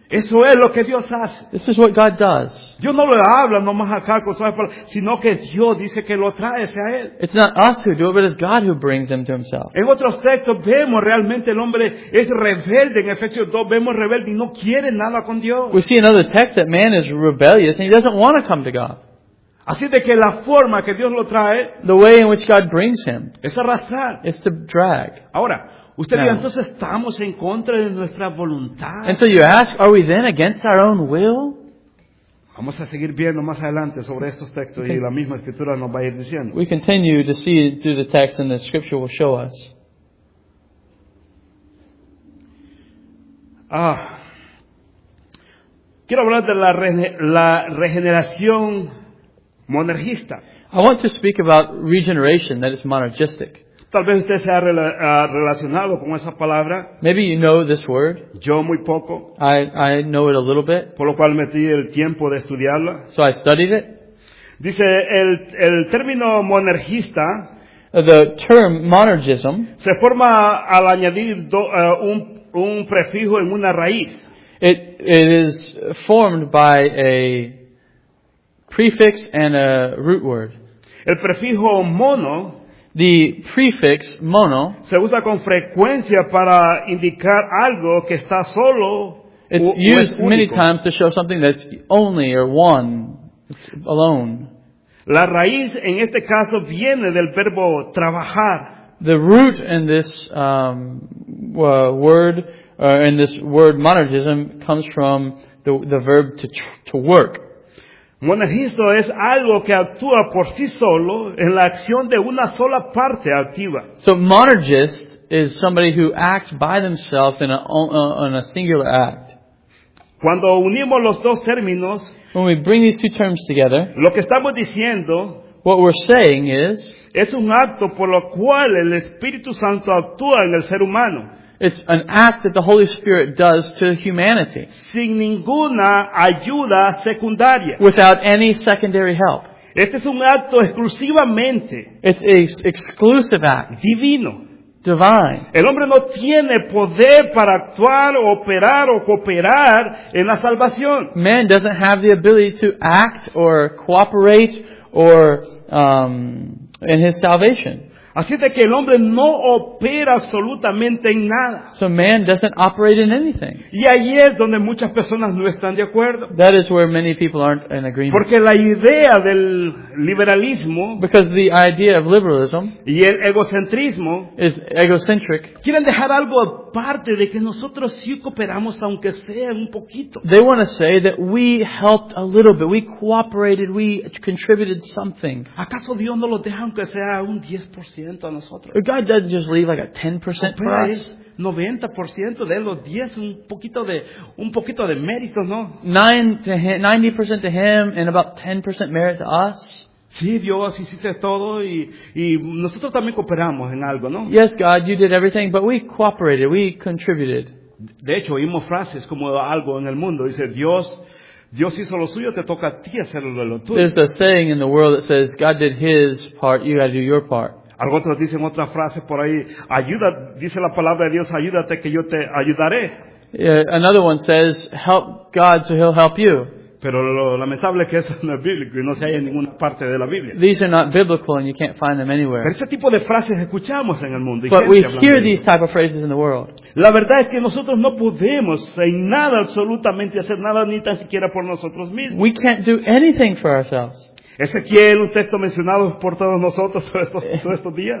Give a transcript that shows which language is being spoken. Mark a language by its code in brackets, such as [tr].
[es] Eso es lo que Dios hace. [en] This is what God does. [es] Dios no lo habla nomás acá con su palabra, sino que Dios dice que lo trae hacia él. [en] It's not us who do it, but it's God who brings him to himself. [es] En otros textos vemos realmente el hombre es rebelde. En Efesios 2 vemos rebelde y no quiere nada con Dios. [en] We see in other texts that man is rebellious and he doesn't want to come to God. [es] Así de que la forma que Dios lo trae, [en] the way in which God brings him, [es] es arrastrar. [en] It's to drag. [es] Ahora, usted dice, entonces estamos en contra de nuestra voluntad. [en] And so you ask, are we then against our own will? [es] Vamos a seguir viendo más adelante sobre estos textos y la misma escritura nos va a ir diciendo. [en] We continue to see through the text and the scripture will show us. [es] Quiero hablar de la regeneración monergista. [en] I want to speak about regeneration that is monergistic. [es] Tal vez usted sea relacionado con esa palabra. [en] Maybe you know this word. [es] Yo muy poco. [en] I know it a little bit. [es] Por lo cual metí el tiempo de estudiarla. [en] So I studied it. [es] Dice el término monergista. [en] The term monergism. [es] Se forma al añadir un prefijo en una raíz. [en] It is formed by a prefix and a root word. [es] El prefijo mono. [en] The prefix mono [es] se usa con frecuencia para indicar algo que está solo. [en] It's [es] o [en] used [es] es único. [en] Many times to show something that's only or one. It's alone. [es] La raíz en este caso viene del verbo trabajar. [en] The root in this word in this word monergism comes from the verb to work. [es] Monergismo es algo que actúa por sí solo en la acción de una sola parte activa. [en] So monergist is somebody who acts by themselves in a singular act. [es] Cuando unimos los dos términos, [en] when we bring these two terms together, [es] lo que estamos diciendo, [en] what we're saying is, [es] es un acto por lo cual el Espíritu Santo actúa en el ser humano. [en] It's an act that the Holy Spirit does to humanity. [es] Sin ninguna ayuda secundaria. [en] Without any secondary help. [es] Este es un acto exclusivamente. [en] It's an exclusive act. [es] Divino. [en] Divine. [es] El hombre no tiene poder para actuar, operar o cooperar en la salvación. [en] Man doesn't have the ability to act or cooperate or in his salvation. [es] Así de que el hombre no opera absolutamente en nada. [en] So man doesn't operate in anything. [es] Y ahí es donde muchas personas no están de acuerdo. [en] That is where many people aren't in agreement. [es] Porque la idea del liberalismo, [en] because the idea of liberalism, [es] y el egocentrismo, [en] is egocentric. [es] Quieren dejar algo aparte de que nosotros sí cooperamos aunque sea un poquito. [en] They want to say that we helped a little bit, we cooperated, we contributed something. [es] ¿Acaso Dios no lo deja aunque sea un 10%? [en] God doesn't just leave like a 10% for us. [es] 90% de los 10, un poquito de mérito, ¿no? [en] 90% to him and about 10% merit to us. [es] Sí, Dios, hiciste todo y nosotros también cooperamos en algo, ¿no? [en] Yes, God, you did everything, but we cooperated, we contributed. [es] De hecho, oímos frases como algo en el mundo. Dice, Dios hizo lo suyo, te toca a ti hacerlo lo tuyo. [en] There's a saying in the world that says, God did his part, you got to do your part. [es] Algunos dicen otra frase por ahí, ayuda, dice la palabra de Dios, ayúdate que yo te ayudaré. [en] Another one says, help God so he'll help you. [es] Pero lo lamentable es que eso no es bíblico y no se halla en ninguna parte de la Biblia. [en] These are not biblical and you can't find them anywhere. [es] Pero ese tipo de frases escuchamos en el mundo. [en] But we hear these type of phrases in the world. [es] La verdad es que nosotros no podemos en nada absolutamente hacer nada ni tan siquiera por nosotros mismos. [en] We can't do anything for ourselves. [es] Ezequiel, un texto mencionado por todos nosotros estos días.